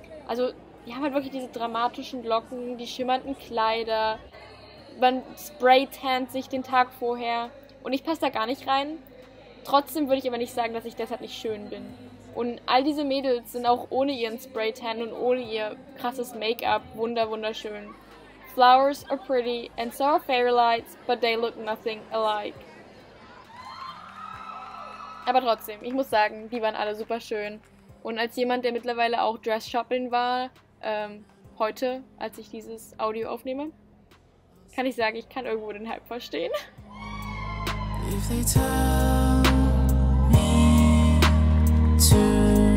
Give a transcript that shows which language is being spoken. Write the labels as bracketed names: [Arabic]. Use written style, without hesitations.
[German] Also, die haben halt wirklich diese dramatischen Locken, die schimmernden Kleider, man spray-tannt sich den Tag vorher und ich passe da gar nicht rein. Trotzdem würde ich aber nicht sagen, dass ich deshalb nicht schön bin. Und all diese Mädels sind auch ohne ihren Spray-Tan und ohne ihr krasses Make-up wunderschön. [English] Flowers are pretty and so are fairy lights, but they look nothing alike. [German] Aber trotzdem, ich muss sagen, die waren alle super schön. Und als jemand, der mittlerweile auch Dress-Shopping war, heute, als ich dieses Audio aufnehme, kann ich sagen, ich kann irgendwo den Hype verstehen. [English] If they tell me to.